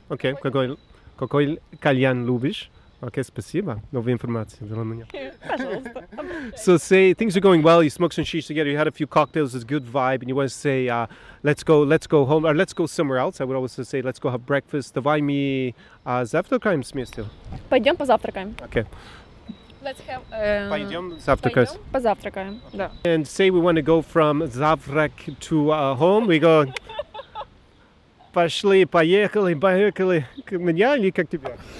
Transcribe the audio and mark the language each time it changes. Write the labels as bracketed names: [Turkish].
[Russian] Okay, какой кальян любишь? Okay, спасибо. Новая информация для меня. [English] So say things are going well. You smoke some shish together. You had a few cocktails. It's a good vibe. And you want to say, let's go home or let's go somewhere else. I would always say, let's go have breakfast. [Russian] Давай мы завтракаем вместе. Пойдем позавтракаем. [English] Okay. Let's have [Russian] позавтракаем. Да. [English] And say we want to go from завтрак to home. We go. [Russian] Пошли, поехали, поехали к меня или как тебе?